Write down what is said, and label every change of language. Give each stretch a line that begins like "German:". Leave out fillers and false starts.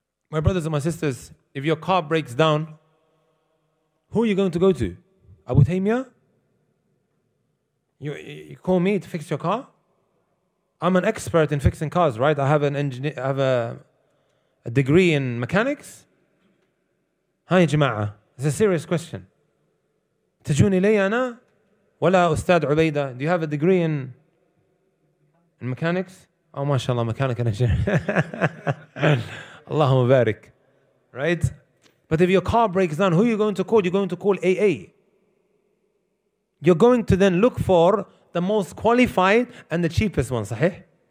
English: My brothers and my sisters, if your car breaks down, who are you going to go to? Abu Taymiyyah? You call me to fix your car? I'm an expert in fixing cars, right? I have a degree in mechanics. Hi, Jama'a. It's a serious question.
Arabic: تجوني لي أنا ولا أستاذ عبيدة.
English: Do you have a degree in mechanics? Oh, mashallah, mechanical engineer. Allahumma barik. Right? But if your car breaks down, who are you going to call? You're going to call AA. You're going to then look for the most qualified and the cheapest one, sahih?